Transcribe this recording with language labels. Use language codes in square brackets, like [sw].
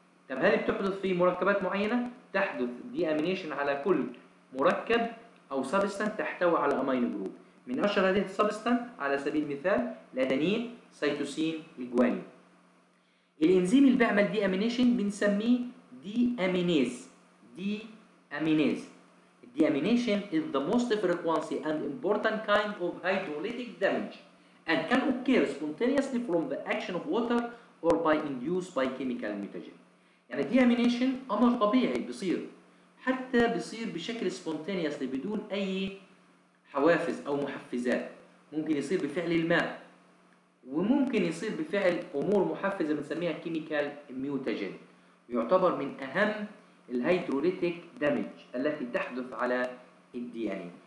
[ar] طب هل بتحدث في مركبات معينه؟ تحدث دي امينيشن على كل مركب او سبستانس تحتوي على امينو جروب. من أشهر هذه السبستانس على سبيل المثال الأدينين سيتوسين الجوانين. الإنزيم اللي بيعمل دي أمينيشن بنسميه دي أمينيز. دي أمينيز. [en] Deamination is the most frequency and important kind of hydrolytic damage and can occur spontaneously from the action of water or by induced by chemical mutagen. [ar] يعني دي أمينيشن أمر طبيعي بيصير، حتى بيصير بشكل spontaneously بدون أي حوافز أو محفزات. ممكن يصير بفعل الماء، وممكن يصير بفعل أمور محفزة بنسميها chemical mutagen. يعتبر من أهم الهيدروليتيك دامج التي تحدث على الدي ان اي.